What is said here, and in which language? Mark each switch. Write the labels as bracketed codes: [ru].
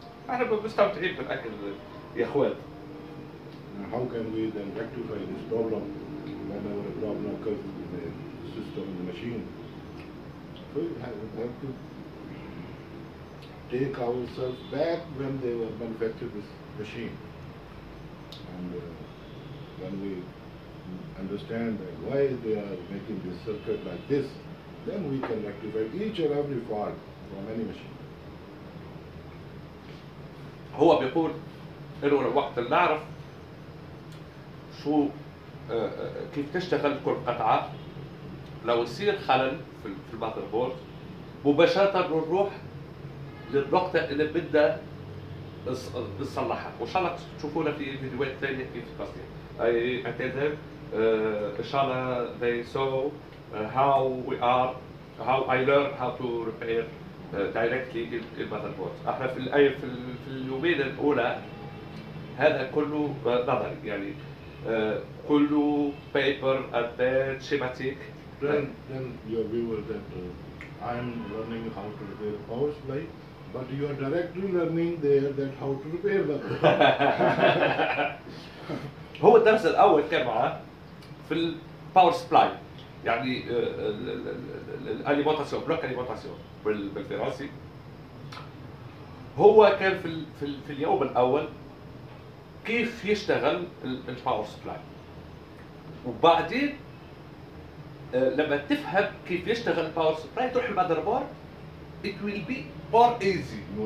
[ar] احنا مستمتعين في الاكل يا اخوات. [en] How can we then rectify this problem when our problem occurs in the system, in the machine? So we have to take ourselves back when they were manufactured this machine. And when we understand why they are making this circuit like this, then we can rectify each and every fault from any machine. [ar] هو بيقول إنه الوقت اللي نعرف شو كيف تشتغل كل قطعة لو يصير خلل في الماذر بورد مباشرة نروح للنقطة اللي بدها نصلحها. وإن شاء الله تشوفونا في فيديوهات ثانية كيف تصلح. أي أعتذر إن شاء الله [en] they saw how I learned how to repair directly in mother board. [ar] احنا في الاي في اليومين الاولى هذا كله نظري يعني كله [en] paper and then schematic. Then your viewer that I'm learning how to repair power supply, but you are directly learning there that how to repair the [ar] هو الدرس الاول تبع في الباور سبلاي يعني الاليموتاسيون بلوك الاليموتاسيون بالفرنسي. هو كان في اليوم الاول كيف يشتغل الباور سبلاي, وبعدين لما تفهم كيف يشتغل الباور سبلاي تروح المذر بورد [en] it will be more easy.